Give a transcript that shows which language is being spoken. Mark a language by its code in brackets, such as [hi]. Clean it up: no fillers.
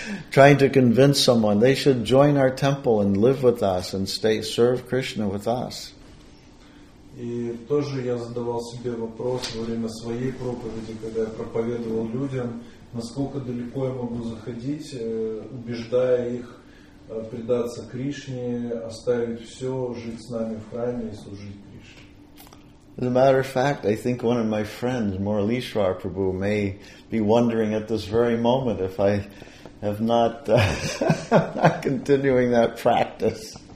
[en] Trying to convince someone they should join our temple and live with us and serve Krishna with us. [ru] И тоже я задавал себе вопрос во время своей проповеди, когда я проповедовал людям, насколько далеко я могу заходить, убеждая их. Предаться Кришне, оставить все, жить с нами в храме и служить Кришне. [en] As a matter of fact, I think one of my friends, Muraleeshwar Prabhu, may be wondering at this very moment if I have not not continuing that practice.